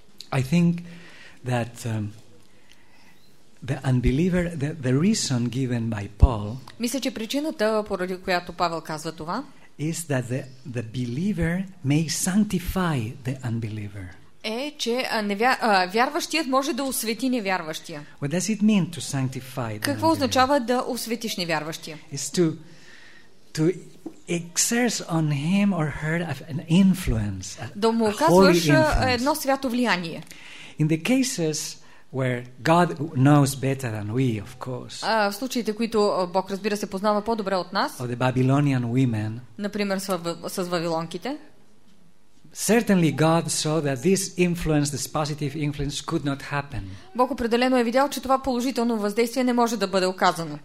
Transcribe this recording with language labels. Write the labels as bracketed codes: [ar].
[en] I think that the unbeliever, the reason given by Paul, [bg] мисля, че причината, поради която Павел казва това, [en] is that the believer may sanctify the unbeliever. [bg] Е, че вярващият може да освети невярващия. [en] What does it mean to sanctify the [bg] Какво означава да осветиш невярващия? [en] Is to exert on him or her an influence, [bg] да му оказваш едно свято влияние. [en] In the cases where God knows better than we, of course. [bg] В случаите, които Бог разбира се познава по-добре от нас. [en] The Babylonian women. [bg] Например, с вавилонките. [en] Certainly God saw that this influence, this positive influence could not happen. [bg] Бог определено е видял, че това положително въздействие не може да бъде оказано.